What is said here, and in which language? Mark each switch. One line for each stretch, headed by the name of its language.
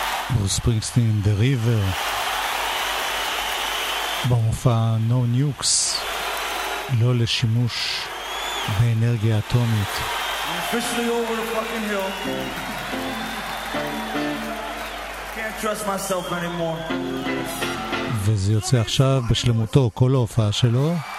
Hebrew: ברוס ספרינגסטין, דה ריבר, במופע נו ניוקס, לא לשימוש באנרגיה אטומית.
English: Officially over the fucking hill. Can't trust myself anymore.
Hebrew: וזה יוצא עכשיו בשלמותו, כל ההופעה שלו.